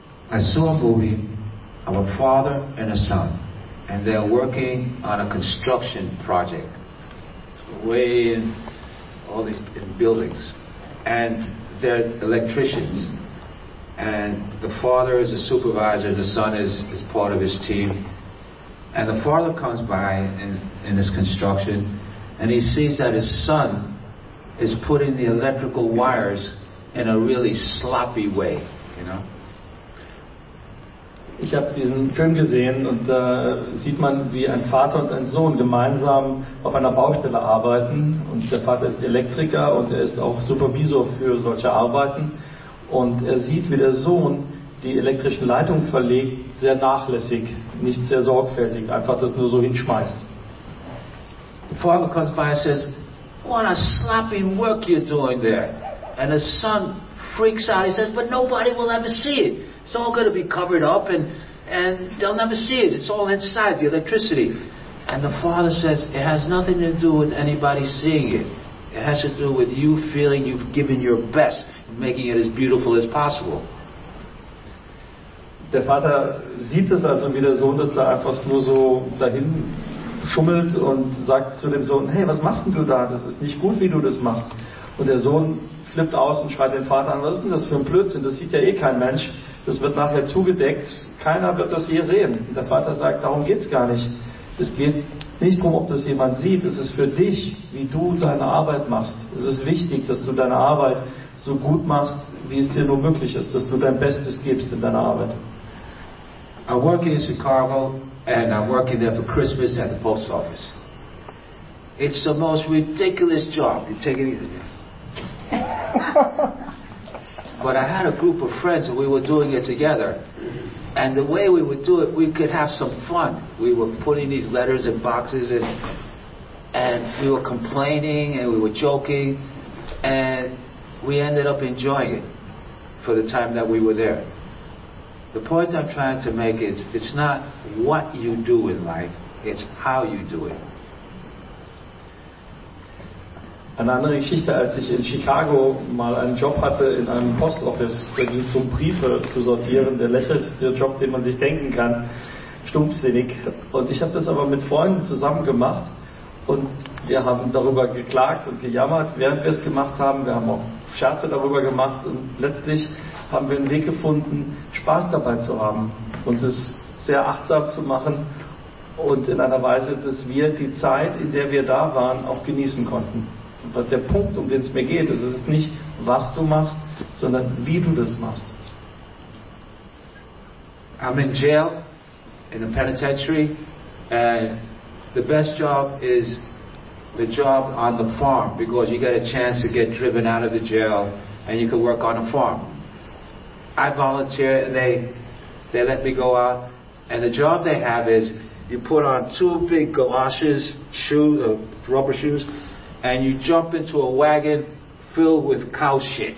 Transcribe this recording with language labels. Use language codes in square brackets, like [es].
[en] I saw a movie of a father and a son, and they're working on a construction project way in all these in buildings, and they're electricians, and the father is a supervisor and the son is part of his team, and the father comes by in his construction and he sees that his son is putting the electrical wires in a really sloppy way, you know. [de] Ich habe diesen Film gesehen und da sieht man, wie ein Vater und ein Sohn gemeinsam auf einer Baustelle arbeiten. Und der Vater ist Elektriker und er ist auch Supervisor für solche Arbeiten. Und er sieht, wie der Sohn die elektrischen Leitungen verlegt, sehr nachlässig, nicht sehr sorgfältig, einfach das nur so hinschmeißt. [en] The father comes by and says, "What a sloppy work you're doing there." And his son freaks out. He says, "But nobody will ever see it. It's all going to be covered up and they'll never see it. It's all inside, the electricity." And the father says, "It has nothing to do with anybody seeing it. It has to do with you feeling you've given your best, making it as beautiful as possible." [de] Der Vater sieht es also, wie der Sohn das da einfach nur so dahin schummelt und sagt zu dem Sohn, "Hey, was machst denn du da? Das ist nicht gut, wie du das machst." Und der Sohn flippt aus und schreit den Vater an, "Was ist denn das für ein Blödsinn? Das sieht ja eh kein Mensch. Das wird nachher zugedeckt. Keiner wird das je sehen." Und der Vater sagt, "Darum geht's gar nicht. Es geht nicht darum, ob das jemand sieht. Es ist für dich, wie du deine Arbeit machst. Es ist wichtig, dass du deine Arbeit so gut machst, wie es dir nur möglich ist, dass du dein Bestes gibst in deiner Arbeit." [en] I work in Chicago and I'm working there for Christmas at the post office. It's the most ridiculous job. You take it easy. But I had a group of friends and we were doing it together. And the way we would do it, we could have some fun. We were putting these letters in boxes and we were complaining and we were joking. And we ended up enjoying it for the time that we were there. The point I'm trying to make is, it's not what you do in life, it's how you do it. [de] Eine andere Geschichte, als ich in Chicago mal einen Job hatte in einem Postoffice, da ging es darum, Briefe zu sortieren, der lächerlichste Job, den man sich denken kann, stumpfsinnig. Und ich habe das aber mit Freunden zusammen gemacht und wir haben darüber geklagt und gejammert, während wir es gemacht haben. Wir haben auch Scherze darüber gemacht und letztlich haben wir einen Weg gefunden, Spaß dabei zu haben und es sehr achtsam zu machen und in einer Weise, dass wir die Zeit, in der wir da waren, auch genießen konnten. Aber der Punkt, um den es mir geht, ist, es ist nicht, was du machst, sondern wie du das machst. [en] I'm in jail, in a penitentiary, and the best job is the job on the farm, because you get a chance to get driven out of the jail, and you can work on a farm. I volunteer, and they let me go out, and the job they have is, you put on two big galoshes, rubber shoes, and you jump into a wagon filled with cow shit.